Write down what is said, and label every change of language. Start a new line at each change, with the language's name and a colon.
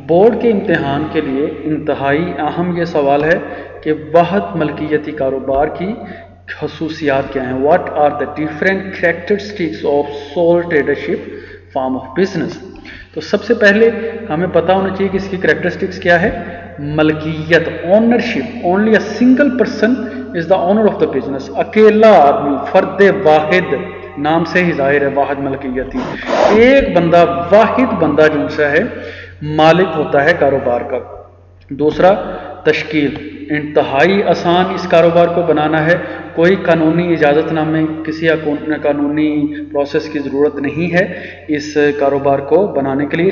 Urdu: Board کے امتحان کے لیے انتہائی اہم یہ سوال ہے کہ واحد ملکیتی کاروبار کی خصوصیات کیا ہیں،
English: What are the different characteristics of sole tradership form of business.
Urdu: تو سب سے پہلے ہمیں پتا ہونا چاہیے کہ اس کی کریکٹرسٹکس کیا ہے. ملکیت،
English: Ownership, only a single person is the owner of the business.
Urdu: اکیلا آدمی، فرد واحد، نام سے ہی ظاہر ہے واحد ملکیتی، ایک بندہ، واحد بندہ جو سا ہے مالک ہوتا ہے کاروبار کا. دوسرا، تشکیل، انتہائی آسان اس کاروبار کو بنانا ہے، کوئی قانونی اجازت نامے، کسی قانونی پروسیس کی ضرورت نہیں ہے اس کاروبار کو بنانے کے لیے.